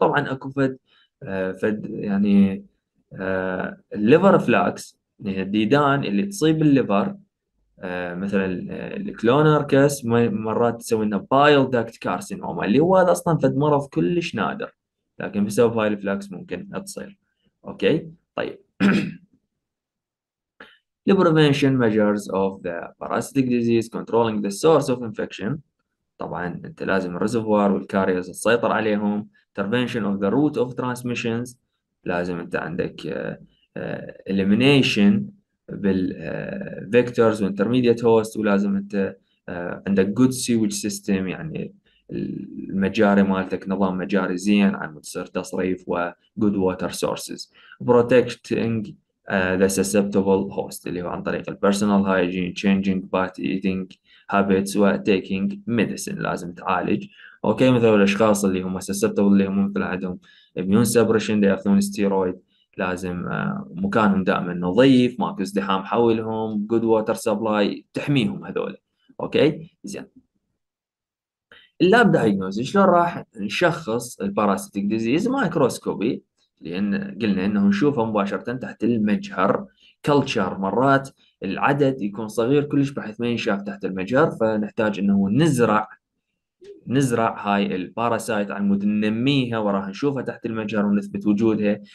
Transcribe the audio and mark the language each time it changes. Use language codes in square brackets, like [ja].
[ar] وطبعا اكو فد يعني الليفر فلاكس اللي هي الديدان اللي تصيب الليفر، مثلا الكلوناركس مرات تسوي لنا بايل داكت كارسينوما، اللي هو هذا اصلا فد مرض كلش نادر لكن بسبب هاي الفلاكس ممكن تصير. [en] Okay طيب The prevention measures of the parasitic disease controlling the source of infection. [ar] طبعا انت لازم الريزرفوار والكاريرز تسيطر عليهم. [en] Intervention of the route of transmissions. [ar] لازم انت عندك elimination بال vectors و intermediate host، ولازم انت عندك good sewage system يعني المجاري مالتك نظام مجاري زين عن متصير تصريف و good water sources. [en] Protecting the susceptible host [ar] اللي هو عن طريق ال [en] personal hygiene, changing bad eating habits و taking medicine، [ar] لازم تعالج. اوكي مثلا الاشخاص اللي هم susceptible اللي هم مثلا عندهم immune suppression ياخذون ستيرويد، لازم مكانهم دائما نظيف، ماكو ازدحام حولهم، good water supply تحميهم هذول. اوكي زين اللاب دايجنوزيس شلون راح نشخص الباراسيتيك ديزيز؟ مايكروسكوبي، لان قلنا انه نشوفه مباشره تحت المجهر كلتشر، مرات العدد يكون صغير كلش بحيث ما ينشاف تحت المجهر، فنحتاج انه نزرع هاي الباراسايت على مود ننميها، وراح نشوفها تحت المجهر ونثبت وجودها.